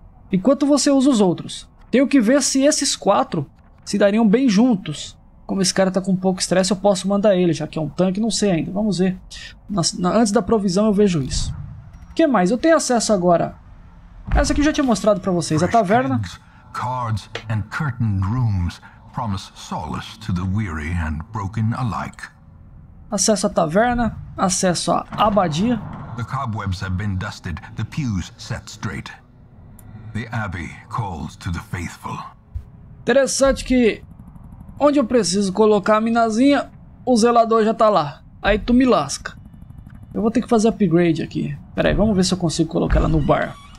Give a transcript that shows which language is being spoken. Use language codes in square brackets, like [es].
[pt] Enquanto você usa os outros. Tenho que ver se esses 4 se dariam bem juntos. Como esse cara tá com pouco estresse, eu posso mandar ele, já que é um tanque, não sei ainda. Vamos ver. Antes da provisão eu vejo isso. O que mais? Eu tenho acesso agora. Essa aqui eu já tinha mostrado pra vocês. A taverna. [en] Cards and curtained rooms promise solace to the weary and broken alike. [pt] Acesso à taverna, acesso à abadia. [en] The cobwebs have been dusted, the pews set straight. The abbey calls to the faithful. [pt] Interessante que onde eu preciso colocar a minazinha, o zelador já tá lá. Aí tu me lasca. Eu vou ter que fazer upgrade aqui. Pera aí, vamos ver se eu consigo colocar ela no bar.